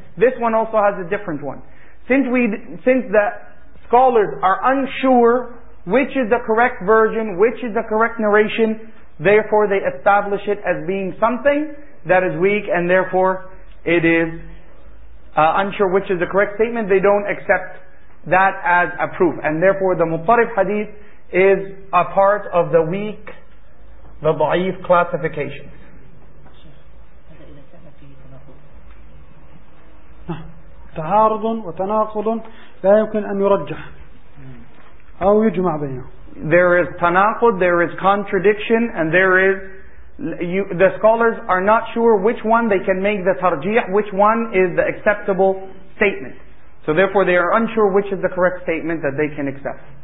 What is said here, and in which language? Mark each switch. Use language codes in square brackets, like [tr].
[en] This one also has a different one. Since the scholars are unsure which is the correct version, which is the correct narration, therefore they establish it as being something that is weak, and therefore it is unsure which is the correct statement. They don't accept that as a proof, and therefore the muttarif hadith is a part of the weak, the da'if classification. [ar] تعارض وتناقض لا يمكن أن يرجح أو يجمع بينه. [en] There is tanaqud, there is contradiction, and there is the scholars are not sure which one they can make the tarjih, which one is the acceptable statement. So therefore they are unsure which is the correct statement that they can accept.